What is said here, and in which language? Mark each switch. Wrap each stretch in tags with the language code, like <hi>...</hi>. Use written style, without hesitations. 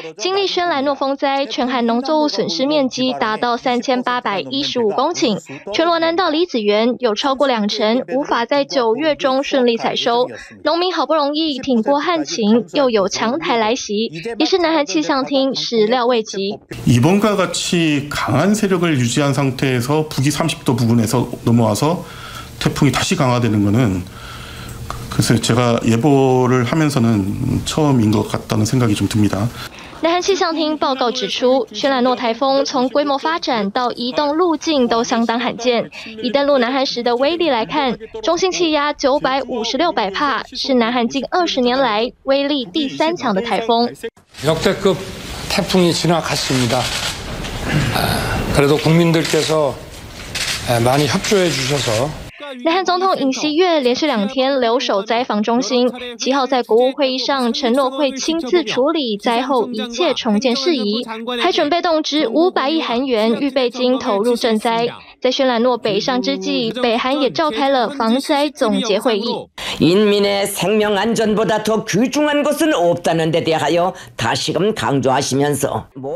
<zh>经历轩岚诺风灾，全韩农作物损失面积达到3815公顷，全罗南道李子园有超过20%无法在9月中顺利采收。农民好不容易挺过旱情，又有强台来袭，也是南韩气象厅始料未及。</zh> <ko>이번과같이강한세력을유지한상태에서북이30도부근에서넘어와서태풍이다시강화되는것은 글쎄요. 제가 예보를 하면서는 처음인 것 같다는 생각이 좀 듭니다.</ko> <zh>南韓氣象廳報告指出，轩岚诺台风从规模发展到移动路径都相当罕见。以登陆南韩时的威力来看，中心气压956帕，是南韩近20年来威力第三强的台风。</zh> <ko>역대급 태풍이 지나갔습니다. 그래도 국민들께서 많이 협조해 주셔서.</ko> <zh>南韩总统尹锡悦连续两天留守灾防中心，7号在国务会议上承诺会亲自处理灾后一切重建事宜，还准备动支500亿韩元预备金投入赈灾。在轩岚诺北上之际，北韩也召开了防灾总结会议。</zh> <ko>인민의 생명 안전보다 더 귀중한 것은 없다는 데 대하여 다시금 강조하시면서</ko>